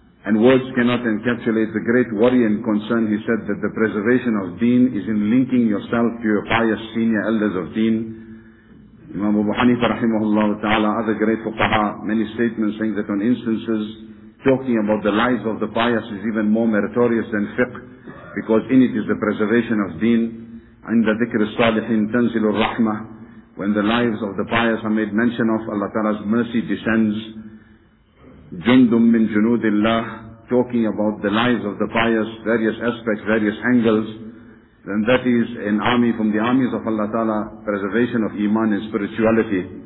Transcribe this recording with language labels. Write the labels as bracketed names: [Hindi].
[English] And words cannot encapsulate the great worry and concern. He said that the preservation of deen is in linking yourself to your pious senior elders of deen. Imam Abu Hanifa rahimahullah ta'ala, other great fuqaha, many statements saying that on instances, talking about the lives of the pious is even more meritorious than fiqh, because in it is the preservation of deen. [Arabic] عند ذكر الصالحين تنزل الرحمة. [English] When the lives of the pious are made mention of, Allah Ta'ala's mercy descends. [Arabic] Jundum min junudillah, [English] talking about the lives of the pious, various aspects, various angles, then that is an army from the armies of Allah Ta'ala, preservation of iman and spirituality.